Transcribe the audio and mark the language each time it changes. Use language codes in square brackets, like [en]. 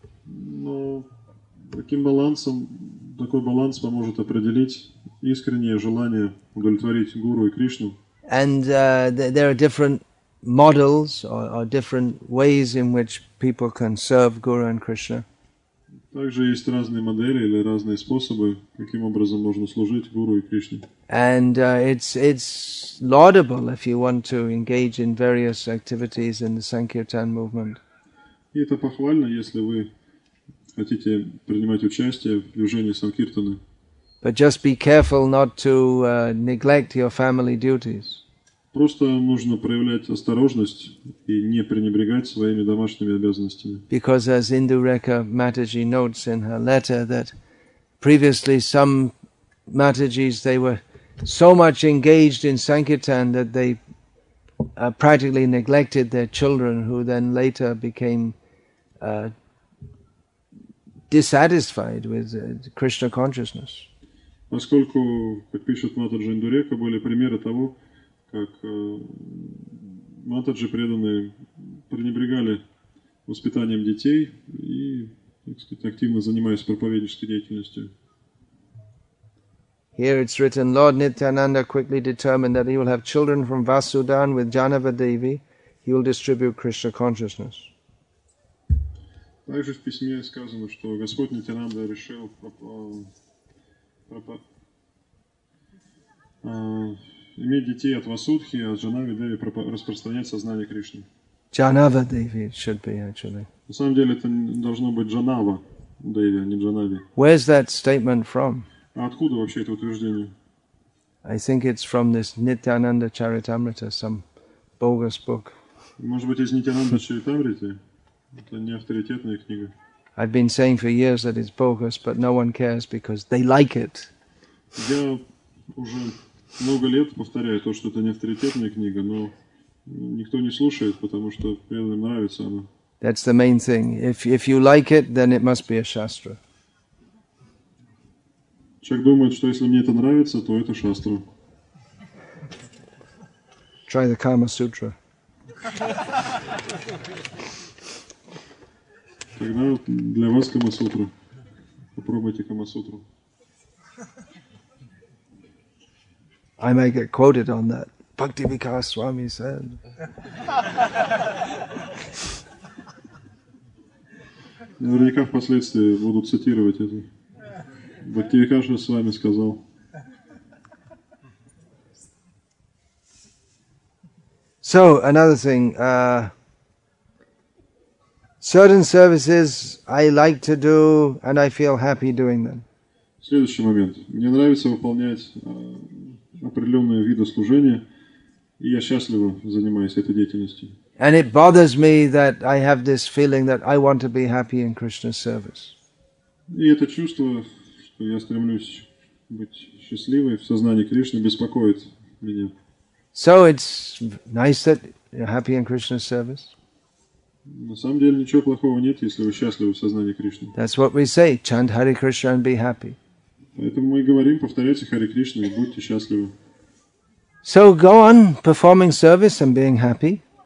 [ru] Но таким балансом, такой баланс поможет определить искреннее желание удовлетворить Гуру и Кришну. [en] And there are different models or different ways in which people can serve Guru and Krishna. [ru] Также есть разные модели или разные способы, каким образом можно служить Гуру и Кришне. [en] And it's laudable if you want to engage in various activities in the Sankirtan movement. [ru] И это похвально, если вы хотите принимать участие в движении Санкиртаны. [en] But just be careful not to neglect your family duties. [ru] Просто нужно проявлять осторожность и не пренебрегать своими домашними обязанностями. [en] Because as Indureka Mataji notes in her letter that previously some Matajis, they were so much engaged in Sankirtan that they practically neglected their children, who then later became dissatisfied with Krishna consciousness. [ru] Поскольку, как пишет Матаджи Индурека, были примеры того, как матаджи преданные пренебрегали воспитанием детей и, так сказать, активно занимаясь проповеднической деятельностью. [en] Here it's written, Lord Nityananda quickly determined that he will have children from Vasudan with Janava Devi. He will distribute Krishna consciousness. [ru] Также в письме сказано, что Господь Нитянанда решил проповедовать иметь детей от Васудхи, от Джанавадеви, распространять сознание Кришны. [en] Джанавадеви should be actually. [ru] На самом деле это должно быть Джанава Деви, а не Джанави. [en] Where's that statement from? [ru] А откуда вообще это утверждение? [en] I think it's from this Nityananda Charitamrita, some bogus book. [ru] Может быть, из Нитянанда Чаритамриты? Это не авторитетная книга. [en] I've been saying for years that it's bogus, but no one cares because they like it. [ru] Я уже много лет повторяю то, что это не авторитетная книга, но никто не слушает, потому что преданным нравится она. [en] That's the main thing. If you like it, then it must be a shastra. [ru] Человек думает, что если мне это нравится, то это шастра. [en] Try the Kama Sutra. [ru] Тогда для вас Кама Сутра. Попробуйте Кама Сутру. [en] I may get quoted on that. Bhakti Vikas Swami said. [ru] Наверняка впоследствии будут цитировать это. Бхакти Викаша с вами сказал. [en] So, another thing. Certain services I like to do and I feel happy doing them. [ru] Следующий момент. Мне нравится выполнять определенные виды служения, и я счастливо занимаюсь этой деятельностью. [en] And it bothers me that I have this feeling that I want to be happy in Krishna's service. [ru] И это чувство, что я стремлюсь быть счастливой в сознании Кришны, беспокоит меня. [en] So it's nice that you're happy in Krishna's service. [ru] На самом деле ничего плохого нет, если вы счастливы в сознании Кришны. [en] That's what we say. Chant Hare Krishna and be happy. [ru] Поэтому мы и говорим, повторяйте Хари Кришну и будьте счастливы. [en] So go on performing service and being happy.